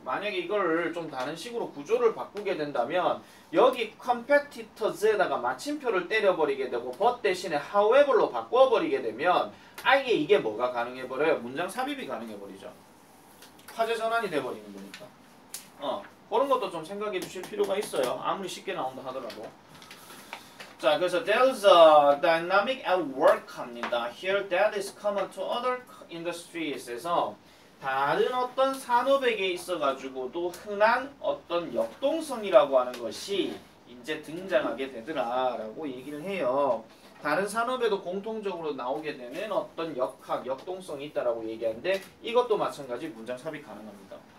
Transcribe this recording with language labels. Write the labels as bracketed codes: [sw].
[ko] 만약에 이걸 좀 다른 식으로 구조를 바꾸게 된다면 여기 competitors에다가 마침표를 때려버리게 되고 but 대신에 however로 바꿔버리게 되면 아예 이게 뭐가 가능해버려요? 문장 삽입이 가능해버리죠. 화제 전환이 돼버리는 거니까. 그런 것도 좀 생각해 주실 필요가 있어요. 아무리 쉽게 나온다 하더라도. 자, 그래서 [en] there's a dynamic at work [ko] 합니다. [en] Here that is common to other industries [ko] 에서 다른 어떤 산업에게 있어가지고도 흔한 어떤 역동성이라고 하는 것이 이제 등장하게 되더라라고 얘기를 해요. 다른 산업에도 공통적으로 나오게 되는 어떤 역학, 역동성이 있다라고 얘기하는데 이것도 마찬가지 문장 삽입 가능합니다.